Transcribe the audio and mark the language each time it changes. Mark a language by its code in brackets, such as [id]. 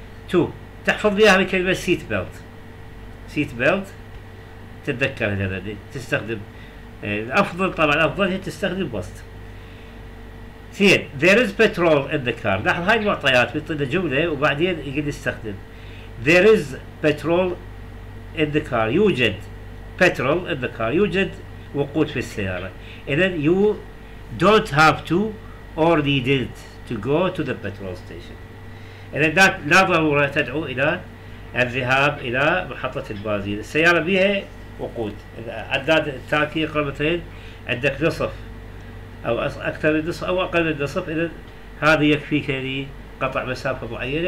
[ar] تو تحفظ بها بكلمة seat belt. seat belt تتذكر هذا تستخدم، الأفضل طبعا الأفضل هي تستخدم must. [en] Then there is petrol in the car. [ar] لاحظ هاي المعطيات بيطلع جملة وبعدين يقول يستخدم there is petrol in the car. يوجد petrol in the car، يوجد وقود في السيارة. [en] إذن you don't have to or need it to go to the petrol station. [ar] إذن لا ضرورة تدعو إلى الذهاب إلى محطة البنزين. السيارة بها وقود، عداد التاكي قرمتين، عندك نصف أو أكثر من نصف أو أقل من نصف، إذن هذا يكفيك لقطع مسافة معينة.